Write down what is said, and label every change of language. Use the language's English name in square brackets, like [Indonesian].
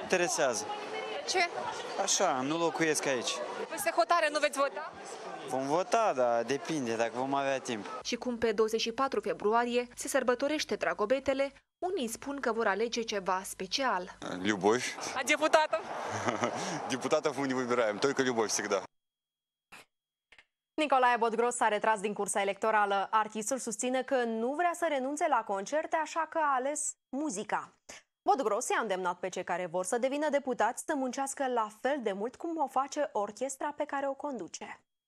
[Romanian] Interesează. De ce? Așa, nu locuiesc aici. Peste hotare nu veți vota? Vom vota, dar depinde dacă vom avea timp. Și cum pe 24 februarie se sărbătorește Dragobetele, unii spun că vor alege ceva special. [Russian] Любовь. А депутатов? Депутатов мы не выбираем, только любовь всегда. [Romanian] Nicolae Bodgros s-a retras din cursa electorală. Artistul susține că nu vrea să renunțe la concerte, așa că a ales muzica. Bodgros i-a îndemnat pe cei care vor să devină deputați să muncească la fel de mult cum o face orchestra pe care o conduce.